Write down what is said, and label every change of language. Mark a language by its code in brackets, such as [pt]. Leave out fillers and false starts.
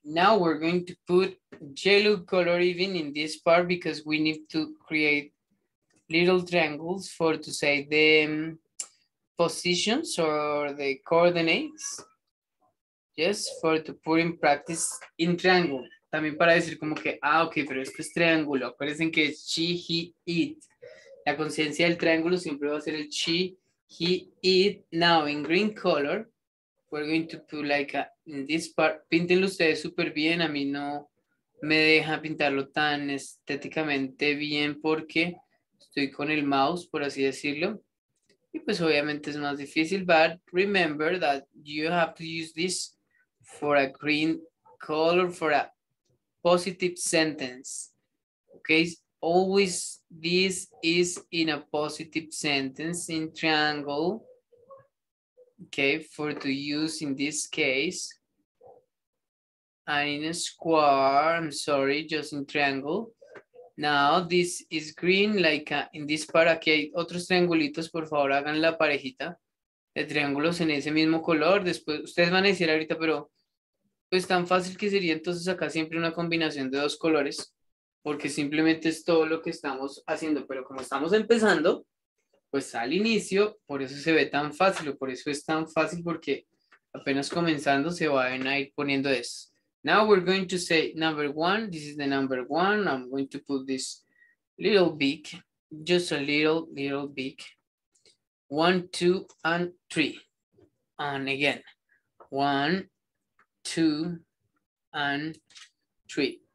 [en] Now we're going to put yellow color even in this part because we need to create little triangles for to say them. Positions or the coordinates, yes, for to put in practice in triangle. [es] también para decir como que, ah, ok, pero esto es triángulo. Acuérdense que es she, he, it. La conciencia del triángulo siempre va a ser el she, he, it. [en] Now, in green color, we're going to put like a, in this part. [es] Píntenlo ustedes súper bien. A mí no me deja pintarlo tan estéticamente bien porque estoy con el mouse, por así decirlo. Y pues obviamente es más difícil, [en] but remember that you have to use this for a green color, for a positive sentence. Okay, always this is in a positive sentence in triangle. Okay, for to use in this case. And in a square, I'm sorry, just in triangle. Now, this is green, like in this part, [es] aquí hay otros triangulitos, por favor, hagan la parejita de triángulos en ese mismo color. Después, ustedes van a decir ahorita, pero pues tan fácil que sería entonces acá siempre una combinación de dos colores, porque simplemente es todo lo que estamos haciendo. Pero como estamos empezando, pues al inicio, por eso se ve tan fácil, o por eso es tan fácil, porque apenas comenzando se van a ir poniendo eso. [en] Now we're going to say number one. This is the number one. I'm going to put this little beak, just a little, little beak. One, two, and three. And again, one, two, and three.